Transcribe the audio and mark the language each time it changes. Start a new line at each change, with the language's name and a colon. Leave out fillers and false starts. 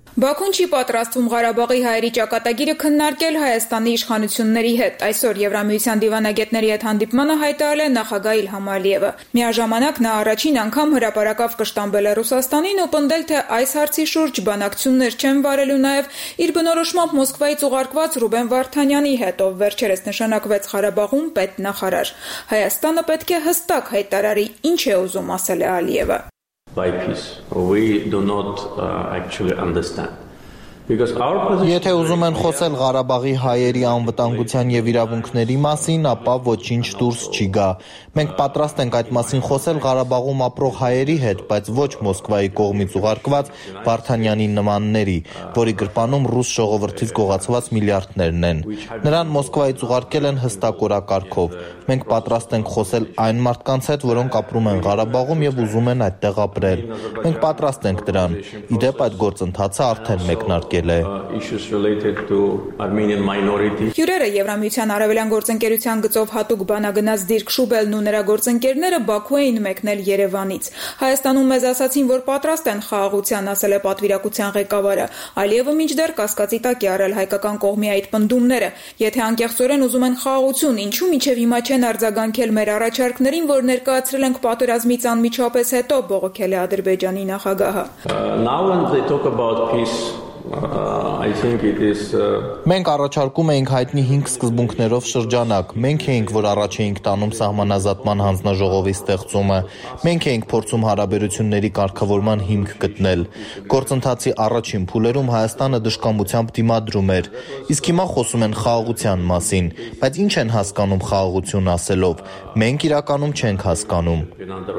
Armenian: Բաքուն չի պատրաստվում Ղարաբաղի հայերի ճակատագիրը քննարկել Հայաստանի իշխանությունների հետ։ Այսօր Եվրամիության դիվանագետների հետ հանդիպմանը հայտարարել է նախագահ Իլհամ Ալիևը։ Միաժամանակ նա առաջին անգամ հրապարակավ կշտամբել է Ռուսաստանին ու պնդել, թե այս հարցի շուրջ բանակցություններ չեն վարելու նաև իր բնորոշմամբ Մոսկվայից ուղարկված Ռուբեն Վարդանյանի հետ, ով վերջերս նշանակվեց Ղարաբաղում պետնախարար։ Հայաստանը պետք է հստակ հայտարարի, ինչ է ուզում ասել Ալիևը։
English: By peace, we do not actually understand.
Armenian: Եթե ուզում են խոսել Ղարաբաղի հայերի անվտանգության և իրավունքների մասին, ապա ոչինչ դուրս չի գա։ Մենք պատրաստ ենք այդ մասին խոսել Ղարաբաղում ապրող հայերի հետ, բայց ոչ Մոսկվայի կողմից ուղարկված Վարդանյանի նմանների, որի գրպանում ռուս ժողովրդից գողացված միլիարդներն են։ Նրան Մոսկվայից ուղարկել են հստակ օրակարգով։ Մենք պատրաստ ենք խոսել այն մարդկանց հետ, որոնք ապրում են Ղարաբաղում և ուզում են այդտեղ ապրել։ Մենք պատրաստ ենք դրան։ Ի դեպ, այդ գործընթացը արդեն մեկնարկել
English: Issues related to Armenian minorities.
Armenian: Հյուրերը Եվրամիության Արևելյան գործընկերության գծով հատուկ բանագնաց Դիրք Շուբելն ու նրա գործընկերները Բաքու էին մեկնել Երևանից։ Հայաստանում մեզ ասացին, որ պատրաստ են խաղաղության, ասել է պատվիրակության ղեկավարը։ Ալիևը մինչդեռ կասկածի տակ է առել հայկական կողմի այդ պնդումները։ Եթե անկեղծորեն ուզում են խաղաղություն, ինչու միչև հիմա չեն արձագանքել մեր առաջարկներին, որ ներկայացրել ենք պատերազմից անմիջապես հետո, բողոքել է Ադրբեջանի նախագահը։
English: Now when they talk about peace,
Armenian: Մենք առաջարկում էինք հայտնի 5 սկզբունքներով շրջանակ։ Մենք էինք, որ առաջ էինք տանում սահմանազատման հանձնաժողովի ստեղծումը։ Մենք էինք փորձում հարաբերությունների կարգավորման հիմք գտնել։ Գործընթացի առաջին փուլերում Հայաստանը դժկամությամբ դիմադրում էր, իսկ հիմա խոսում են խաղաղության մասին, բայց ի՞նչ են հասկանում խաղաղություն ասելով։ Մենք իրականում չենք հասկանում։